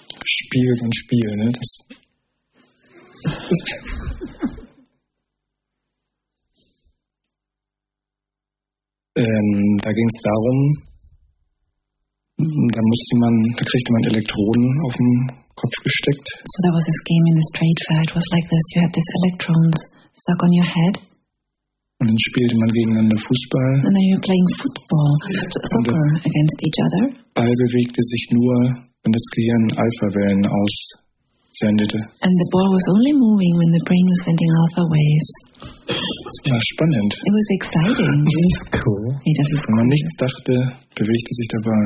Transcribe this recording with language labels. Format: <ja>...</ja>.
<de>Spiegel und Spiel, ne? Das da ging es darum, da kriegte man Elektroden auf den Kopf gesteckt.</de> <en>So there was this game in the straight fair. It was like this. You had these electrons stuck on your head.</en> <de>Und dann spielte man gegeneinander Fußball.</de> <en>And then you were playing football, soccer against each other.</en> <de>Ball bewegte sich nur, wenn das Gehirn Alpha-Wellen aussendete.</de> <en>And the ball was only moving when the brain was sending alpha waves.</en> <de>Das war spannend.</de> <en>It was exciting. Cool. Yeah, cool.</en> <de>Wenn man nichts dachte, bewegte sich der Ball.</de>